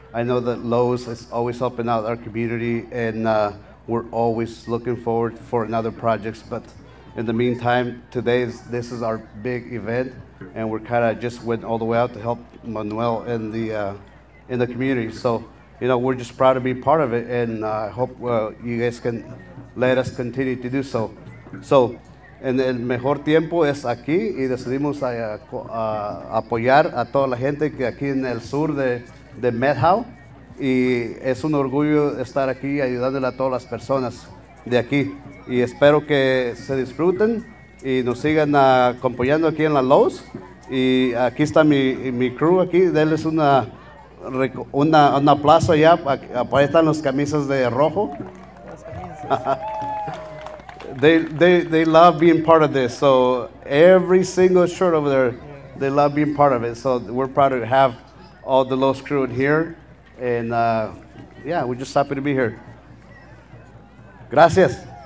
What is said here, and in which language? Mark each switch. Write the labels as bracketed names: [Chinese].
[English] I know that Lowe's is always helping out our community and we're always looking forward for another projects. But in the meantime, today is, this is our big event and we're kind of just went all the way out to help Manuel and the in the community. So, you know, we're just proud to be part of it and I hope you guys can let us continue to do so. [Spanish] So, en el mejor tiempo es aquí y decidimos apoyar a toda la gente que aquí en el sur de Methow y es un orgullo estar aquí ayudándole a todas las personas de aquí y espero que se disfruten y nos sigan acompañando aquí en la Lowe's y aquí está mi crew aquí, denles un aplauso allá, ahí están las camisas de rojo. [English] They love being part of this, so every single shirt over there, they love being part of it, so we're proud to have all the Lowe's crew in here, and yeah, we're just happy to be here. [Spanish] Gracias.